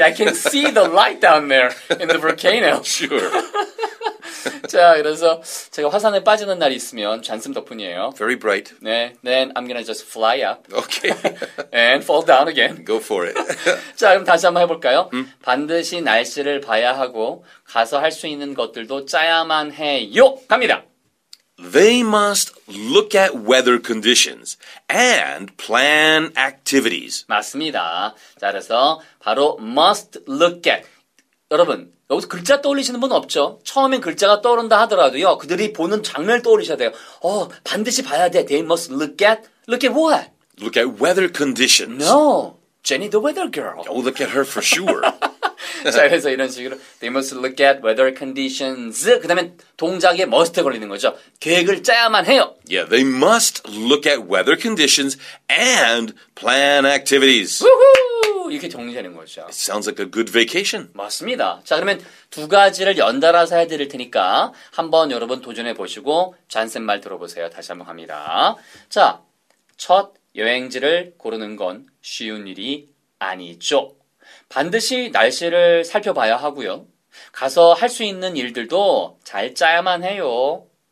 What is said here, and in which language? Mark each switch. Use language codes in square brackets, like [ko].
[en] I can see the light down there in the volcano. Sure. [ko] 자, 그래서 제가 화산에 빠지는 날이 있으면 잔슴 덕분이에요. [en] Very bright. 네, then I'm gonna just fly up. Okay. And fall down again. Go for it. [ko] 자, 그럼 다시 한번 해볼까요? 음? 반드시 날씨를 봐야 하고 가서 할 수 있는 것들도 짜야만 해요. 갑니다. [en] They must look at weather conditions and plan activities. [ko] 맞습니다. 자, 그래서 바로 must look at. 여러분. 여기서 글자 떠올리시는 분 없죠? 처음엔 글자가 떠오른다 하더라도요, 그들이 보는 장면을 떠올리셔야 돼요. 반드시 봐야 돼. [en] They must look at. Look at what? look at weather conditions. No, Jenny the weather girl. Oh, look at her for sure. [ko] 자, 그래서 이런 식으로 [en] they must look at weather conditions. [ko] 그 다음에 동작에 must 걸리는 거죠. 계획을 짜야만 해요. [en] Yeah, they must look at weather conditions and plan activities. [ko] 우후! 이렇게 정리되는 거죠. [en] It sounds like a good vacation. [ko] 맞습니다. 자, 그러면 두 가지를 연달아서 해드릴 테니까 한번 여러분 도전해보시고 잔센 말 들어보세요. 다시 한번 갑니다. 자, 첫 여행지를 고르는 건 쉬운 일이 아니죠. 반드시 날씨를 살펴봐야 하고요. 가서 할 수 있는 일들도 잘 짜야만 해요.